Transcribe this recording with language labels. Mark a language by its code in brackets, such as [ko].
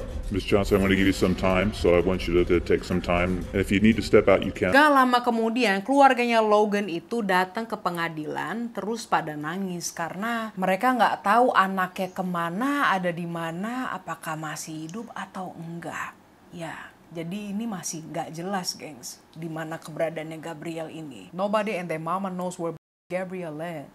[en] Miss Johnson, I'm going to give you some time, so I want you to take some time. And if you need to step out, you can. [id] Gak lama kemudian, keluarganya Logan itu datang ke pengadilan, terus pada nangis karena mereka nggak tahu anaknya kemana, ada di mana, apakah masih hidup atau enggak. Ya, jadi ini masih nggak jelas, gengs, di mana keberadaannya Gabriel ini. [en] Nobody and their mama knows where Gabrielle.